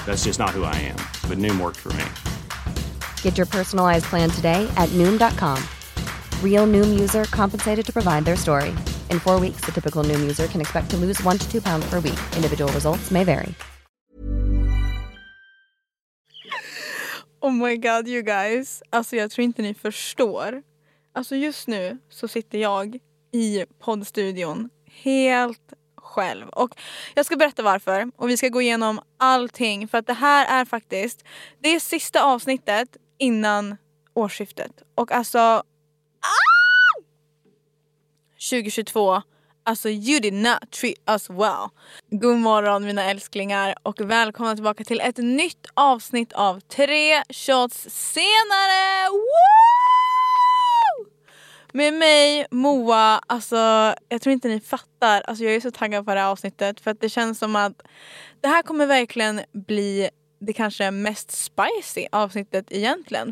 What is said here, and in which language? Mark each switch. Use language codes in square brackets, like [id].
[en] That's just not who I am. But Noom worked for me. Get your personalized plan today at Noom.com. Real Noom user compensated to provide their story. In 4 weeks, the typical Noom user can expect to lose 1 to 2 pounds per week. Individual results may vary. Oh my god, you guys. [sv] Alltså, jag tror inte ni förstår. Alltså, just nu så sitter jag i poddstudion helt själv. Och jag ska berätta varför. Och vi ska gå igenom allting. För att det här är faktiskt det sista avsnittet innan årsskiftet. Och alltså... [en] 2022, [sv] alltså [en] you did not treat us well. [sv] God morgon mina älsklingar och välkomna tillbaka till ett nytt avsnitt av 3 shots senare. Woo! Med mig, Moa, alltså jag tror inte ni fattar. Alltså jag är så taggad på det här avsnittet för att det känns som att det här kommer verkligen bli det kanske mest spicy avsnittet egentligen.